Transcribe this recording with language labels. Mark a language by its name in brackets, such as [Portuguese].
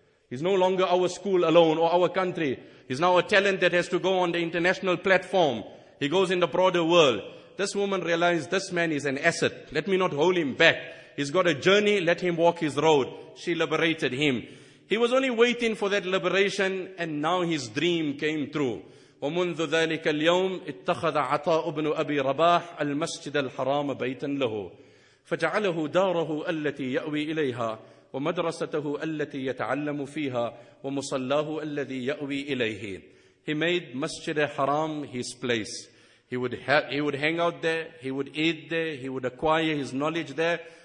[English] He's no longer our school alone or our country. He's now a talent that has to go on the international platform. He goes in the broader world. This woman realized this man is an asset. Let me not hold him back. He's got a journey. Let him walk his road. She liberated him. He was only waiting for that liberation and now his dream came true. [Arabic] ومنذ ذلك اليوم اتخذ عطاء ابن أبي رباح المسجد الحرام بيتا له. فجعله داره التي يأوي إليها ومدرسته التي يتعلم فيها ومصلاه الذي يأوي إليه. [English] He made Masjid al-Haram his place. He would hang out there, he would eat there, he would acquire his knowledge there.